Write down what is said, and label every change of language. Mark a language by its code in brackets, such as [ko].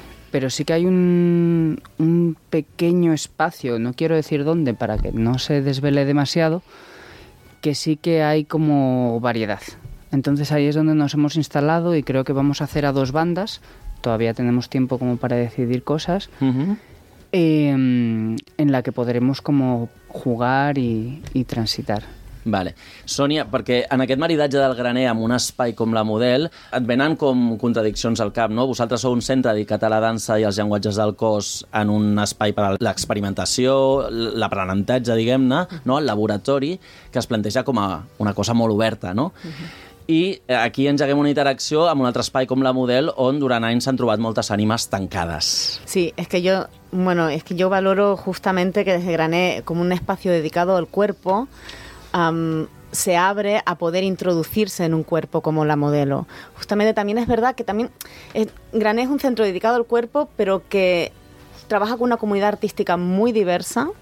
[es] Pero sí que hay un pequeño espacio, no quiero decir dónde, para que no se desvele demasiado, que sí que hay como variedad. Entonces ahí es donde nos hemos instalado y creo que vamos a hacer a dos bandas. Todavía tenemos tiempo como para decidir cosas. Uh-huh. En la que podremos como jugar y transitar. Vale. [ca] Sònia, perquè en aquest maridatge del graner amb un espai com la model et venen com contradiccions al cap, no? Vosaltres sou un centre dedicat a la dansa i als llenguatges del cos en un espai per a l'experimentació, l'aprenentatge, diguem-ne, no? El laboratori, que es planteja com a una cosa molt oberta, no? Uh-huh. I aquí engeguem una interacció amb un altre espai com la model on durant anys s'han trobat moltes ànimes tancades. Sí, és que jo... [es] Bueno, [ca] és que jo [es] valoro justamente que desde graner com un espacio dedicado al cuerpo... se abre a poder introducirse en un cuerpo como la modelo. Justamente también es verdad que también Grané es un centro dedicado al cuerpo, pero que trabaja con una comunidad artística muy diversa.